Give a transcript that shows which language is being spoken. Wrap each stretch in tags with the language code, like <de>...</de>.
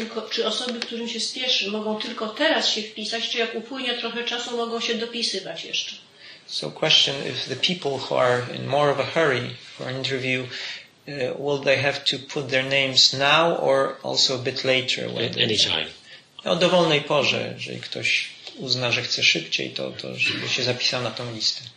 <pl>Czy osoby, którym się spieszy, mogą tylko teraz się wpisać, czy jak upłynie trochę czasu, mogą się dopisywać jeszcze?</pl> <en>So question, if the people who are in more of a hurry for an interview, will they have to put their names now or also a bit later? Anytime.</en> <pl>O dowolnej porze, jeżeli ktoś uzna, że chce szybciej, to żeby się zapisał na tą listę.</pl>